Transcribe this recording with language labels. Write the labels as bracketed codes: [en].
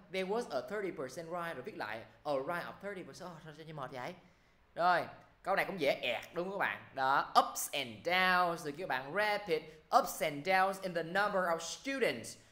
[en] There was a 30% rise. [vi] Rồi viết lại [en] a rise of 30%. [vi] Sao như mệt vậy? Rồi, câu này cũng dễ ẹt đúng không các bạn? [en] Đó, ups and downs. [vi] Rồi các bạn [en] rapid ups and downs in the number of students